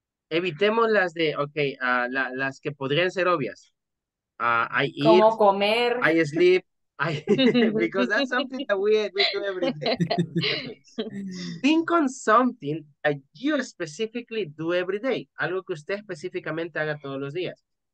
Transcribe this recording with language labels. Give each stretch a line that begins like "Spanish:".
Spanish: Evitemos las de, okay, las que podrían ser obvias.
English: I eat.
Spanish: ¿Cómo comer?
English: I sleep. Because that's something that we do every day. Think on something that you specifically do every day.
Spanish: Algo que usted específicamente haga todos los días.